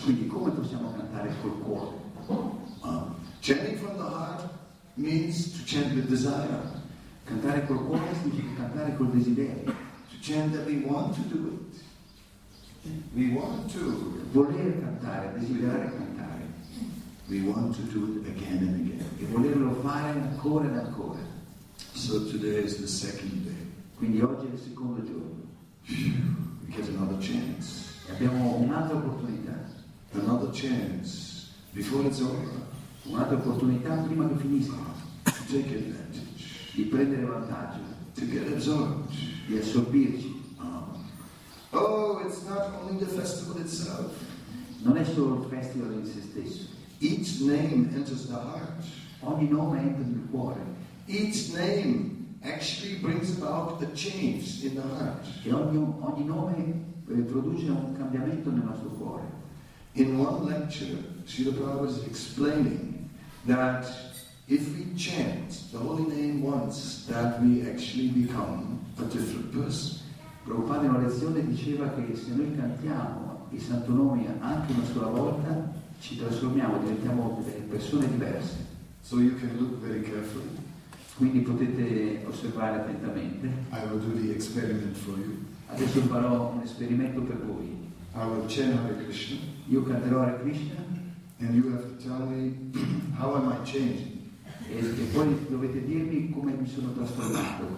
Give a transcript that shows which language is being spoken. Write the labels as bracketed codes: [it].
[it] Quindi come possiamo cantare col cuore? [en] Chanting from the heart means to chant with desire. [it] Cantare col cuore significa cantare col desiderio. [en] To chant that we want to do it. We want to. [it] Voler cantare, desiderare cantare. [en] We want to do it again and again. [it] E volerlo fare ancora e ancora. [en] So today is the second day. [it] Quindi oggi è il secondo giorno. [en] We get another chance. [it] E abbiamo un'altra opportunità. [en] Another chance before it's over. [it] Un'altra opportunità prima che finisca. [en] To take advantage. [it] Di prendere vantaggio. [en] To get absorbed. [it] Di assorbirci. [en] Oh, it's not only the festival itself. [it] Non è solo il festival in se stesso. [en] Each name enters the heart. [it] Ogni nome entra nel cuore. [en] Each name actually brings about a change in the heart. [it] E ogni nome produce un cambiamento nel nostro cuore. [en] In one lecture, Srila Prabhupada was explaining that if we chant the holy name once, that we actually become a different person. [it] Prabhupada in una lezione diceva che se noi cantiamo il santo nome anche una sola volta, ci trasformiamo, diventiamo delle persone diverse. [en] So you can look very carefully. [it] Quindi potete osservare attentamente. [en] I will do the experiment for you. [it] Adesso farò un esperimento per voi. [en] I will chant Hare Krishna. [it] Io canterò Hare Krishna. [en] And you have to tell me how am I changing. [it] E poi dovete dirmi come mi sono trasformato.